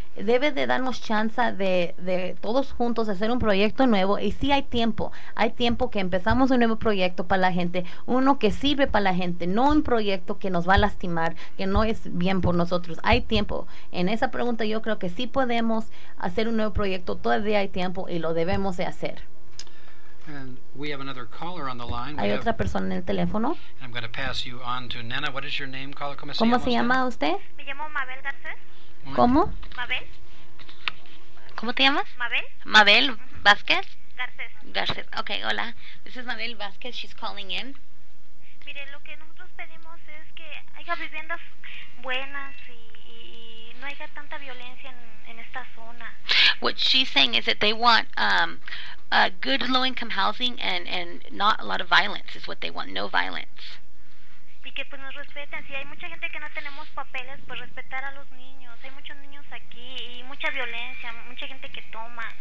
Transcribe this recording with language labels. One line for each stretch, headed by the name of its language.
Spanish: Debe de darnos chance de todos juntos hacer un proyecto nuevo, y sí hay tiempo que empezamos un nuevo proyecto para la gente, uno que sirve para la gente, no un proyecto que nos va a lastimar, que no es bien por nosotros. Hay tiempo. En esa pregunta yo creo que sí podemos hacer un nuevo proyecto, todavía hay tiempo y lo debemos de hacer.
English: And we have another caller on the line.
Spanish: Hay otra persona en el teléfono.
English: I'm going to pass you on to Nena. What is your name, caller?
Spanish: ¿Cómo se llama usted? Me llamo Mabel Garcés. ¿Cómo? Mabel. ¿Cómo te llamas? Mabel. Mabel Vázquez. Garcés.
English: Okay, hola. This is Mabel Vázquez. She's calling in.
Spanish: Mire, lo que nosotros pedimos es que haya viviendas buenas y no haya tanta violencia en esta zona.
English: What she's saying is that they want good low-income housing and not a lot of violence is what they want. No violence.
Spanish: Sí, y que pues nos respeten. Si hay mucha gente que no tenemos papeles, pues respetar a los niños. Hay muchos niños aquí y mucha violencia, mucha gente que toma.